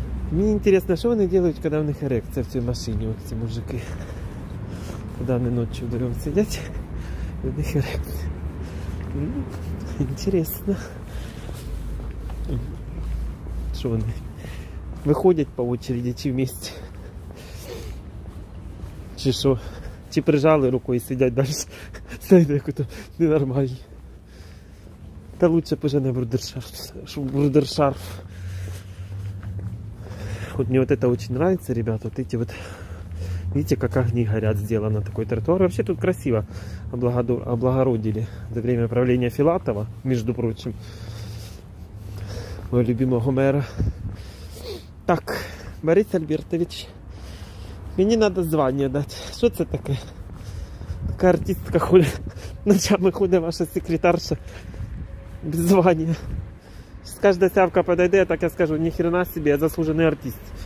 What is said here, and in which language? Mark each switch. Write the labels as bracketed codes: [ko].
[ru] Мне интересно, что они делают, когда у них эрекция в той машине, вот эти мужики. Когда они ночью вдвоем сидят, у них эрекция. Интересно. Что они выходят по очереди, чи вместе? Чи что? [uk] Чи прижали рукою і сидять далі, знаєте, як то ненормальні. Та лучше пожене брудершарф. От мені от це дуже подобається, [ru] ребята, от эти вот, видите, как огни горят, сделано такой тротуар. Вообще тут красиво облагородили за время правления Филатова, между прочим, мого любимого мэра. [uk] Так, Борис Альбертович, мені треба звання дати, що це таке? Яка артистка ходить, ночами ходить ваша секретарша без звання. Сейчас кожна сявка подойде, так я скажу, ні хрена собі, я заслужений артист.